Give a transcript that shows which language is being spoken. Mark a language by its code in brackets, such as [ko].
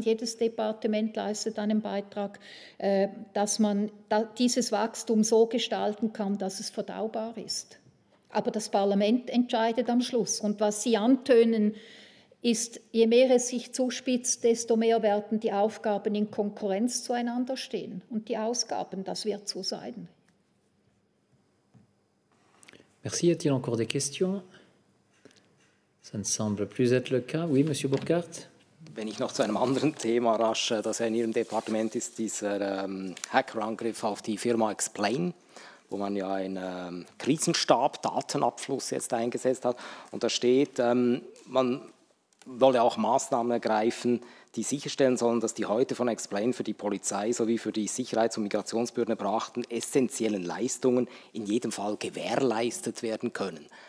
[de] Jedes Departement leistet einen Beitrag, dass man dieses Wachstum so gestalten kann, dass es verdaubar ist. Aber das Parlament entscheidet am Schluss. Und was Sie antönen, ist, je mehr es sich zuspitzt, desto mehr werden die Aufgaben in Konkurrenz zueinander stehen. Und die Ausgaben, das wird so sein. [fr] Merci. A-t-il encore des questions? Ça ne semble plus être le cas. Oui, Monsieur Burkhardt? [de] Wenn ich noch zu einem anderen Thema rasch, das in Ihrem Departement ist, dieser Hackerangriff auf die Firma Explain, wo man ja einen Krisenstab, Datenabfluss jetzt eingesetzt hat. Und da steht, man wolle auch Maßnahmen ergreifen, die sicherstellen sollen, dass die heute von Explain für die Polizei sowie für die Sicherheits- und Migrationsbehörden erbrachten essentiellen Leistungen in jedem Fall gewährleistet werden können.